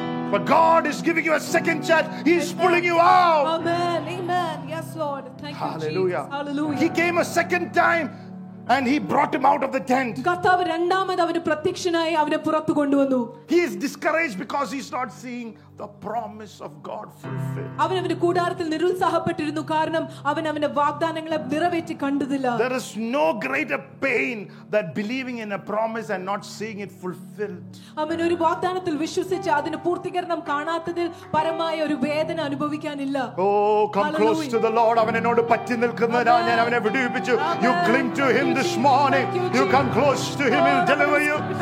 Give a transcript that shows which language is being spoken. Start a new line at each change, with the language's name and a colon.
English: But God is giving you a second chance. He is pulling you out. Amen. Amen. Yes, Lord. Thank you, Hallelujah. Jesus. Hallelujah. He came a second time and he brought him out of the tent.
Malayalam: കർത്താവ് രണ്ടാമത് അവനെ പ്രത്യക്ഷനായി അവനെ പുറത്തു കൊണ്ടുവന്നു.
English: He is discouraged because he's not seeing the promise of God fulfilled.
Malayalam: അവൻ അവന്റെ കൂടാരത്തിൽ നിരുത്സാഹപ്പെട്ടിരുന്നു, കാരണം അവൻ അവന്റെ വാഗ്ദാനങ്ങളെ നിറവേറ്റി കണ്ടില്ല.
English: There is no greater pain than believing in a promise and not seeing it fulfilled.
Malayalam: അവൻ ഒരു വാഗ്ദാനത്തിൽ വിശ്വസിച്ച് അതിനെ പൂർത്തീകരണം കാണാത്തതിൽ പരമമായ ഒരു വേദന അനുഭവിക്കാനില്ല.
English: Oh, come close to the Lord.
Malayalam: അവനോട് പറ്റി നിൽക്കുന്നവരാ, ഞാൻ അവനെ വിടുവിപ്പിച്ചു.
English: You cling to him this morning. You come close to him, he'll deliver you.